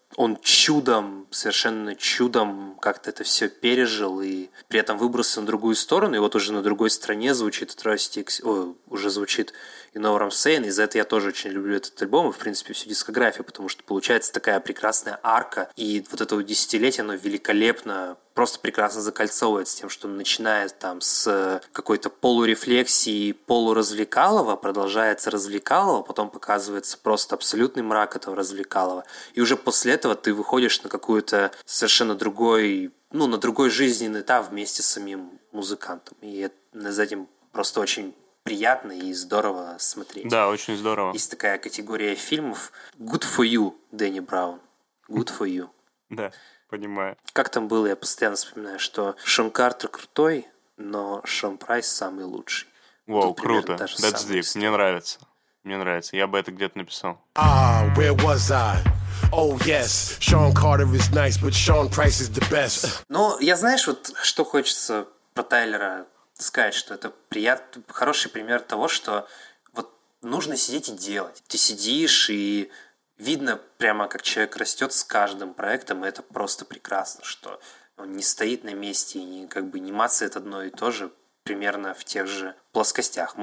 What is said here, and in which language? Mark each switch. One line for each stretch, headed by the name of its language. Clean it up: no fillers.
Russian: Он чудом, совершенно чудом как-то это все пережил и при этом выбрался на другую сторону, и вот уже на другой стороне звучит Atrocity, уже звучит You Know What I'm Saying, и за это я тоже очень люблю этот альбом и, в принципе, всю дискографию, потому что получается такая прекрасная арка, и вот это вот десятилетие, оно великолепно, просто прекрасно закольцовывается тем, что начинает там с какой-то полурефлексии, полуразвлекалова, продолжается развлекалова, потом показывается просто абсолютный мрак этого развлекалова, и уже после этого ты выходишь на какую-то совершенно другой, ну, на другой жизненный этап вместе с самим музыкантом, и за этим просто очень приятно и здорово смотреть. Да, очень здорово. Есть такая категория фильмов.
English: Good for you, Дэнни Браун. Good for you.
Russian: Да, понимаю. Как там было, я постоянно вспоминаю, что Шон Картер крутой, но Шон Прайс самый лучший. Вау, круто.
English: That's deep.
Russian: Мне нравится. Мне нравится. Я бы это где-то написал.
English: Where was I? Oh, yes, Sean Carter is nice, but Sean Price is the best.
Russian: Ну, я знаешь, вот что хочется про Тайлера сказать, что это хороший пример того, что вот нужно сидеть и делать. Ты сидишь, и видно прямо, как человек растет с каждым проектом, и это просто прекрасно, что он не стоит на месте, и не, как бы не мацает одно и то же примерно в тех же плоскостях.